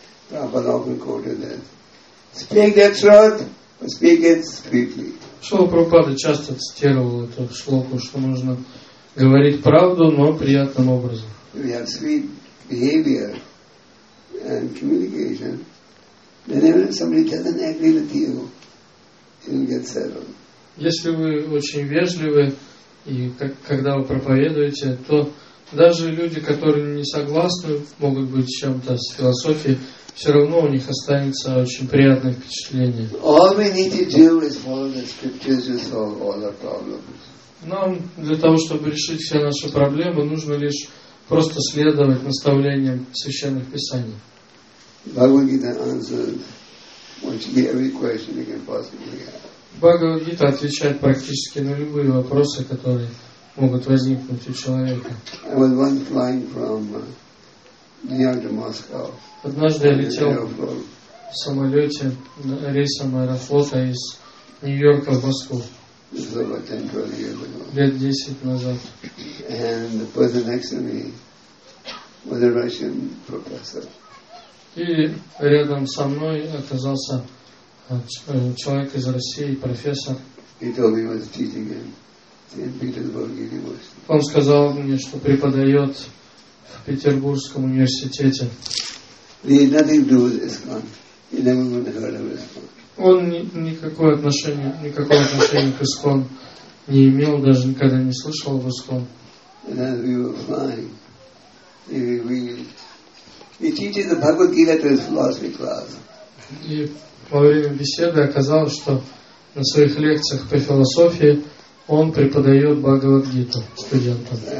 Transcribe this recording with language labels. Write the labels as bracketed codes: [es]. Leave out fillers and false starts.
[ru] Шрила Прабхупада часто цитировал эту шлоку, что нужно говорить правду, но приятным образом. [en] We have sweet behavior and communication. Then if somebody doesn't agree with you, you'll get settled. [ru] Если вы очень вежливы и когда вы проповедуете, то даже люди, которые не согласны, могут быть чем-то с философией, все равно у них останется очень приятное впечатление. [en] All we need to do is follow the scriptures to solve all our problems. [ru] Нам для того, чтобы решить все наши проблемы, нужно лишь просто следовать наставлениям священных писаний. [en] Bhagavad-gita answers virtually every question you can possibly have. [ru] Бхагавад-гита отвечает практически на любые вопросы, которые могут возникнуть у человека. [en] I was once flying from New York to Moscow. [ru] Однажды я летел в самолете рейсом Аэрофлота из Нью-Йорка в Москву. [en] This was about 10-12 years ago. [ru] Лет 10 назад. [en] And the person next to me was a Russian professor. [ru] И рядом со мной оказался человек из России, профессор. [en] He told me he was teaching in St. Petersburg University. [ru] Он сказал мне, что преподает в Петербургском университете. [en] He had nothing to do with ISKCON. He never would have heard of ISKCON. [ru] Он никакого отношения к ISKCON не имел, даже никогда не слышал об ISKCON. [en] And as we were flying, he teaches the Bhagavad Gita to his philosophy class. [ru] И во время беседы оказалось, что на своих лекциях по философии он преподает Бхагавад-гиту студентам.